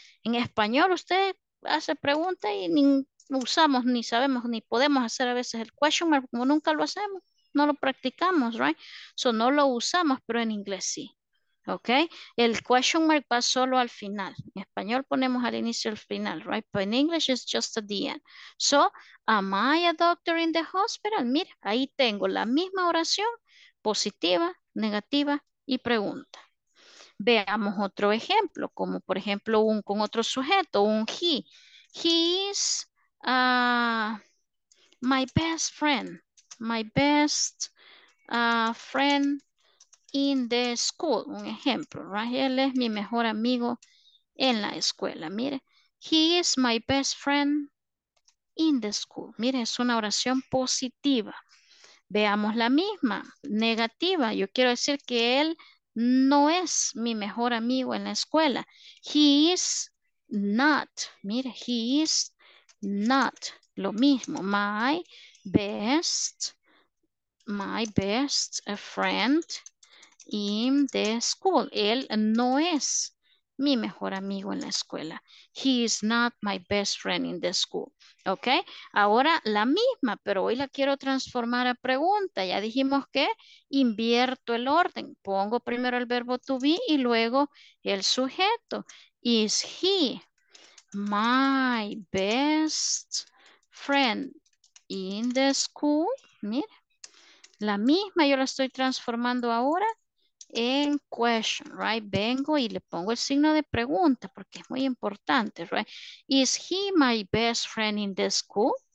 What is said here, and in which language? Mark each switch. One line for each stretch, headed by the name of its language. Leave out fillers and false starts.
Spanish: En español usted hace pregunta y ni usamos, ni sabemos, ni podemos hacer a veces el question mark, como nunca lo hacemos, no lo practicamos, right? So no lo usamos, pero en inglés sí. ¿Ok? El question mark va solo al final. En español ponemos al inicio y al final, right?
English: But in English it's just at the end. So, am I a doctor in the hospital?
Spanish: Mira, ahí tengo la misma oración, positiva, negativa y pregunta. Veamos otro ejemplo, como por ejemplo un con otro sujeto, un he.
English: He is my best friend. My best friend in the school,
Spanish: un ejemplo,
English: right?
Spanish: Él es mi mejor amigo en la escuela, mire.
English: He is my best friend in the school.
Spanish: Mire, es una oración positiva. Veamos la misma, negativa. Yo quiero decir que él no es mi mejor amigo en la escuela.
English: He is not, mire, he is not.
Spanish: Lo mismo,
English: my best friend in the school.
Spanish: Él no es mi mejor amigo en la escuela.
English: He is not my best friend in the school. ¿Ok?
Spanish: Ahora la misma, pero hoy la quiero transformar a pregunta. Ya dijimos que invierto el orden. Pongo primero el verbo to be y luego el sujeto.
English: Is he my best friend in the school?
Spanish: Mira, la misma yo la estoy transformando ahora en question, right? Vengo y le pongo el signo de pregunta porque es muy importante, right?
English: Is he my best friend in the school?